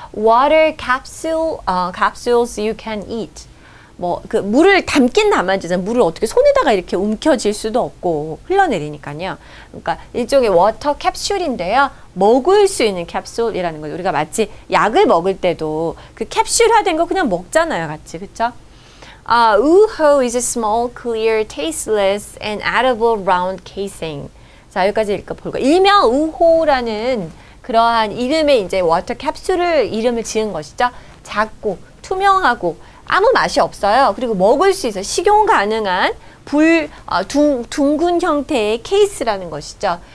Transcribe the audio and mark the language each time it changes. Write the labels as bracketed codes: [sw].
[en] Water capsules you can eat. [ko] 뭐 그 물을 담긴 나머지죠. 물을 어떻게 손에다가 이렇게 움켜쥘 수도 없고 흘러내리니까요. 그러니까 일종의 워터 캡슐인데요. 먹을 수 있는 캡슐이라는 거죠. 우리가 마치 약을 먹을 때도 그 캡슐화된 거 그냥 먹잖아요. 같이. 그렇죠? [en] Uho is a small, clear, tasteless and edible round casing. [ko] 자, 여기까지 읽어볼까요? 일명 우호라는 그러한 이름의 이제 워터 캡슐을 이름을 지은 것이죠. 작고 투명하고 아무 맛이 없어요. 그리고 먹을 수 있어요. 식용 가능한 둥근 형태의 케이스라는 것이죠.